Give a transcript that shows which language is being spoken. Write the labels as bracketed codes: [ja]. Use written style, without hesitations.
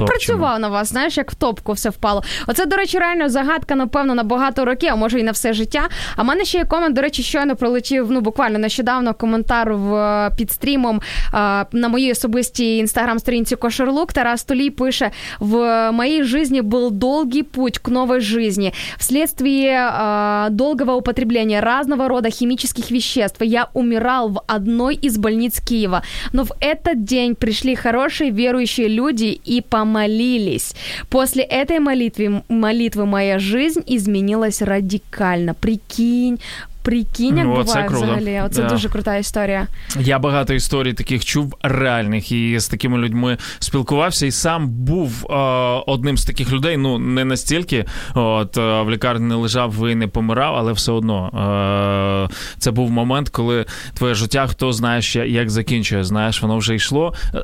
[uk] Він працював на вас, знаєш, як в топку все впало. Оце, до речі, реально загадка, напевно, на багато років, а може і на все життя. А в мене ще є комент, до речі, щойно пролетів, ну, буквально нещодавно коментар під стрімом на моїй особистій інстаграм-сторінці Кошерлук. Тарас Толій пише: «В моїй житті був довгий путь [ru] к новой жизни. Вследствие долгого употребления разного рода химических веществ я умирал в одной из больниц Киева. Но в этот день пришли хорошие верующие люди и помолились. После этой молитвы моя жизнь изменилась радикально». [uk] Прикинь, як буває це круто. Взагалі. Оце да. Дуже крута історія. Я багато історій таких чув реальних і з такими людьми спілкувався. І сам був одним з таких людей. Ну, не настільки. От, в лікарні не лежав і не помирав, але все одно. Це був момент, коли твоє життя, хто знає, як закінчує. Знаєш, воно вже йшло.